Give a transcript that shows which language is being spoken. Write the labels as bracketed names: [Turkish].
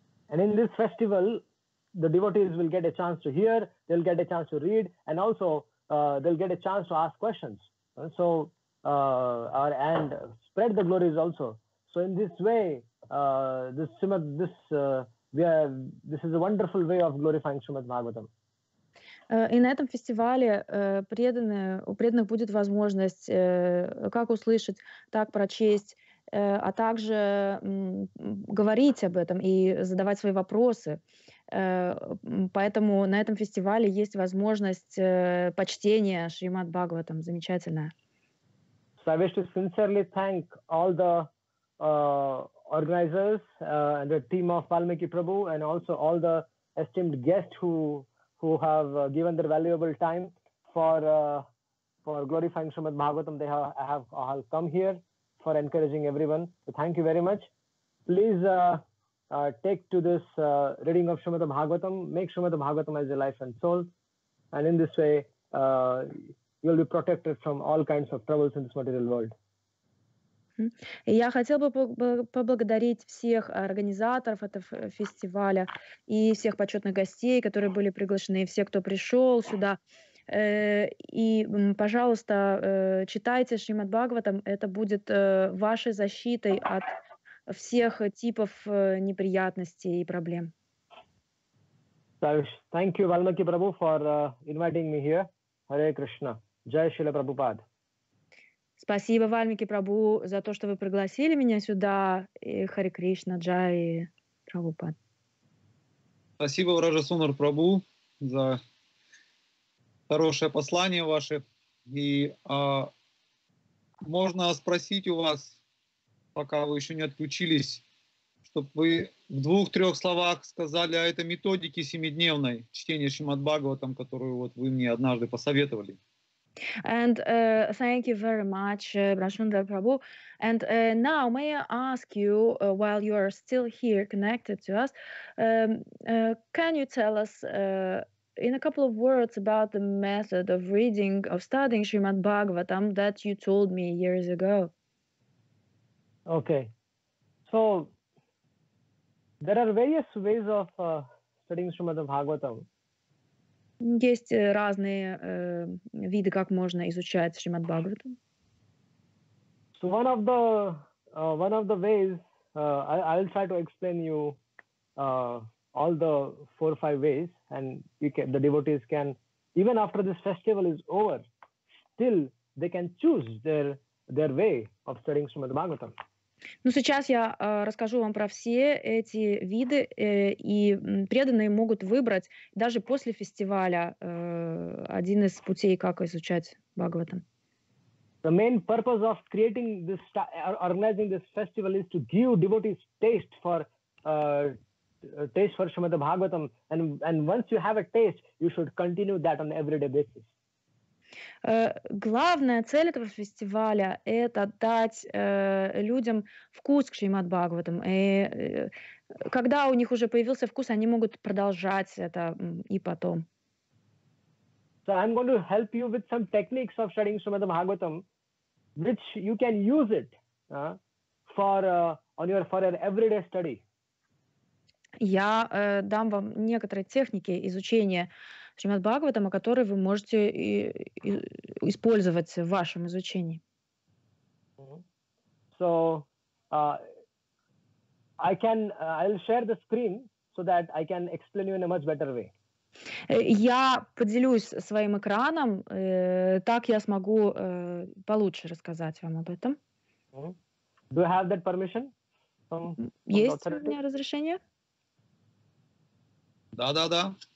[English] And in this festival, the devotees will get a chance to hear, they'll get a chance to read, and also they'll get a chance to ask questions. So, and spread the glories also. So in this way, this is a wonderful way of glorifying Shrimad Bhagavatam. [Russian] И на этом фестивале у преданных будет возможность как услышать, так прочесть, а также говорить об этом и задавать свои вопросы. Поэтому на этом фестивале есть возможность почтения Шримад Бхагаватам. Замечательное. [English] So I wish to sincerely thank all the organizers and the team of Valmiki Prabhu and also all the esteemed guests who have given their valuable time for glorifying Shrimad Bhagavatam. They have all come here for encouraging everyone. So thank you very much. Please take to this reading of Shrimad Bhagavatam. Make Shrimad Bhagavatam as your life and soul. And in this way, you'll be protected from all kinds of troubles in this material world. [Russian] Я хотел бы поблагодарить всех организаторов этого фестиваля и всех почетных гостей, которые были приглашены, и все, кто пришел сюда. И, пожалуйста, читайте Шримад Бхагаватам. Это будет вашей защитой от всех типов неприятностей и проблем. [English] Thank you, Valmiki Prabhu, for inviting me here. Hare Krishna. Jai Shila Prabhupada. [Russian] Спасибо, Вальмики Прабу, за то, что вы пригласили меня сюда. И Хари Кришна, Джай, Прабхупад. Спасибо, Брадасундар Прабу, за хорошее послание ваше. И можно спросить у вас, пока вы еще не отключились, чтобы вы в двух-трех словах сказали о этой методике семидневной чтения Шримад Бхагаватам, которую вот вы мне однажды посоветовали. [English] And thank you very much, Brajasundara Prabhu. And now, may I ask you, while you are still here connected to us, can you tell us in a couple of words about the method of reading, of studying Srimad Bhagavatam that you told me years ago? Okay. So, there are various ways of studying Srimad Bhagavatam. [Russian] Есть разные виды, как можно изучать Шримад Бхагаватам. [English] So one of the ways, I'll try to explain you all the four or five ways, and the devotees can, even after this festival is over, still they can choose their way of studying Shrimad Bhagavatam. [Russian] Ну, сейчас я расскажу вам про все эти виды, и преданные могут выбрать даже после фестиваля один из путей, как изучать Бхагаватам. [English] The main purpose of creating this, organizing this festival is to give devotees taste for Shrimad Bhagavatam, and once you have a taste, you should continue that on an everyday basis. [Russian] Главная цель этого фестиваля — это дать людям вкус к Шримад Бхагаватам. И когда у них уже появился вкус, они могут продолжать это и потом. [English] So I'm going to help you with some techniques of studying Shrimad Bhagavatam, which you can use it for on your for an everyday study. [Russian] Я дам вам некоторые техники изучения Шримад-Бхагаватам, которые вы можете использовать в вашем изучении. [English] So, I can, I'll share the screen so that I can explain you in a much better way. [Russian] Я поделюсь своим экраном, так я смогу получше рассказать вам об этом. [English] Do you have that permission? [Russian] Есть у меня разрешение? Да.